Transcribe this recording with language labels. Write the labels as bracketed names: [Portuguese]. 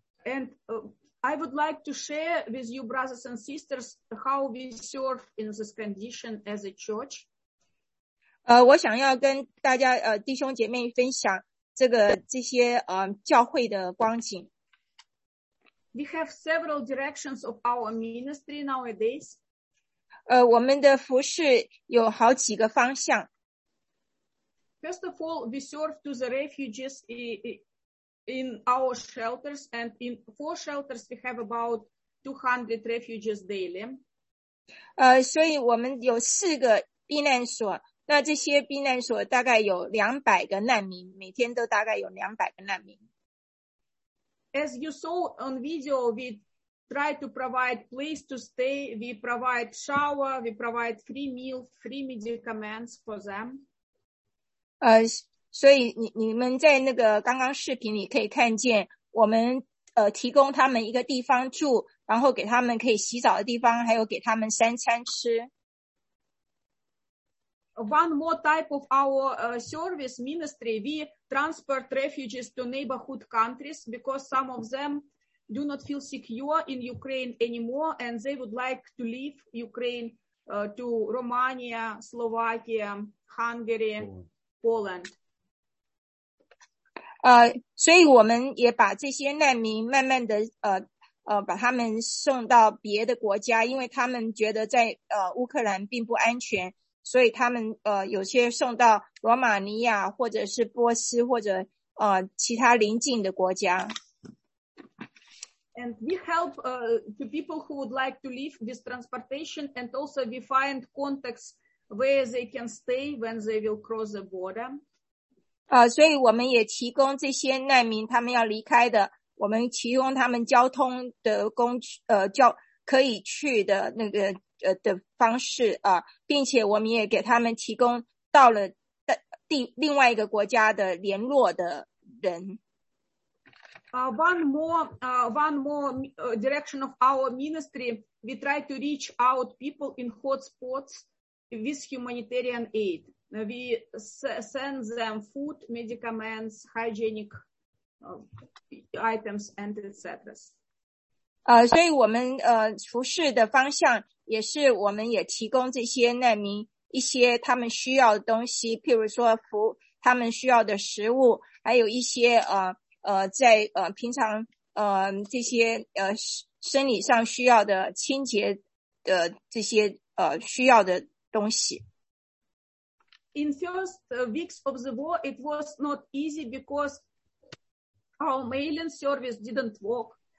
[English] And I would like to share with you, brothers and sisters, how we serve in this condition as a church. [Chinese] 我想要跟大家弟兄姐妹分享这些教会的光景。 [English] We have several directions of our ministry nowadays. [Chinese] 我们的服事有好几个方向。 [English] First of all, we serve to the refugees in our shelters, and in 4 shelters we have about 200 refugees daily. [Chinese] 所以我们有四个避难所，那这些避难所大概有200个难民，每天都大概有200个难民。 [English] As you saw on video, we try to provide place to stay. We provide shower. We provide free meal, free medicaments for them. [Chinese] 所以你们在那个刚刚视频里可以看见，我们提供他们一个地方住，然后给他们可以洗澡的地方，还有给他们三餐吃。 [English] One more type of our service ministry, we transport refugees to neighborhood countries because some of them do not feel secure in Ukraine anymore and they would like to leave Ukraine to Romania, Slovakia, Hungary, Poland. [Chinese] 所以我们也把这些难民慢慢的把他们送到别的国家，因为他们觉得在乌克兰并不安全。所以他们有些送到罗马尼亚或者是波斯或者其他邻近的国家。 [English] And we help to people who would like to leave this transportation, and also we find contacts where they can stay when they will cross the border. [Chinese] 所以我们也提供这些难民他们要离开的，我们提供他们交通的工具可以去的那个。的方式并且我们也给他们提供到了另外一个国家的联络的人。 [English] One more direction of our ministry. We try to reach out people in hotspots with humanitarian aid. We send them food, medicaments, hygienic items, and etc. [Chinese] 所以我们服侍的方向也是我们也提供这些难民一些他们需要的东西，譬如说服他们需要的食物，还有一些在平常这些生理上需要的清洁的这些需要的东西。 [English] In first weeks of the war, it was not easy because our mailing service didn't work.